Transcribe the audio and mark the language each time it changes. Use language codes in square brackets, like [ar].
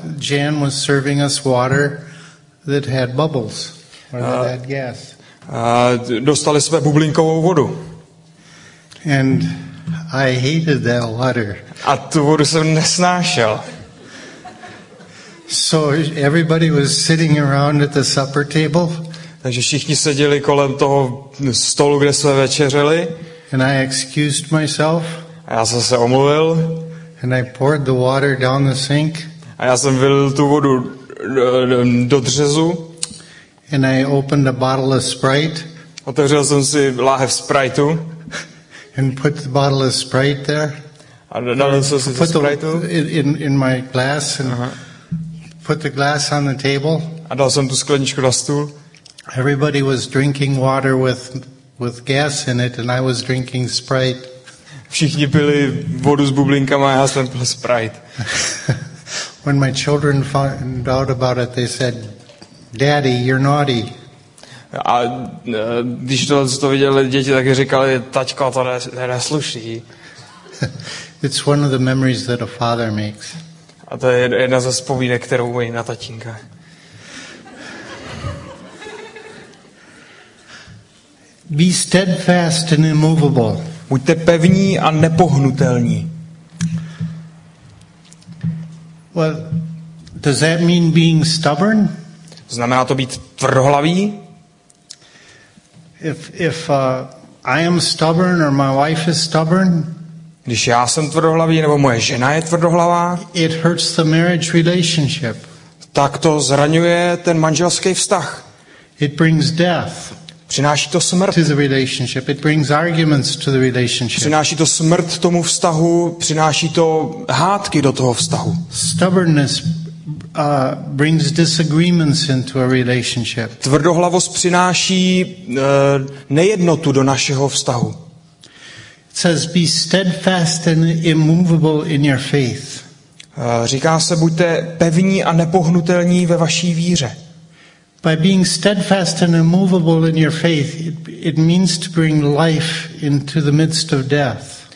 [en] Jan was serving us water that had bubbles or that had gas. [cs] Dostali jsme bublinkovou vodu. [en] And I hated that water. [cs] A tu vodu jsem nesnášel. [en] So everybody was sitting around at the supper table. [cs] Takže všichni seděli kolem toho stolu, kde jsme večeřili. [en] And I excused myself. [cs] A já jsem se omluvil. [en] And I poured the water down the sink. [cs] A já jsem vylil tu vodu do dřezu. [en] And I opened a bottle of Sprite. [cs] Otevřel jsem si láhev Spriteu. [en] And put the bottle of Sprite there. [cs] A dal jsem si [en] put [cs] to Spriteu [en] in my glass and put the glass on the table. [cs] A dal jsem tu skleničku na stůl. [en] Everybody was drinking water with gas in it, and I was drinking Sprite. [cs] Všichni pili vodu s bublinkama, a já jsem pil Sprite. [en] When my children found out about it, they said, "Daddy, you're naughty." [cs] A když to viděli děti, tak říkali, tačko, to nesluší. [en] It's one of the memories that a father makes. [cs] A to je jedna ze vzpomínek, kterou mají na tatínka. [en] Be steadfast and immovable. [cs] Buďte pevní a nepohnutelní. [en] Well, does that mean being stubborn? [cs] Znamená to být tvrdohlavý? [en] If I am stubborn or my wife is stubborn, [cs] když já jsem tvrdohlavý nebo moje žena je tvrdohlavá, [en] it hurts the marriage relationship. [cs] Tak to zraňuje ten manželský vztah. [en] It brings death. [cs] Přináší to smrt. [en] To the relationship. It brings arguments to the relationship. [cs] Přináší to smrt tomu vztahu, přináší to hádky do toho vztahu. [en] Stubbornness brings disagreements into a relationship. [cs] Tvrdohlavost přináší nejednotu do našeho vztahu. [en] It says be steadfast and immovable in your faith. [cs] Říká se buďte pevní a nepohnutelní ve vaší víře. [en] By being steadfast and immovable in your faith, it means to bring life into the midst of death.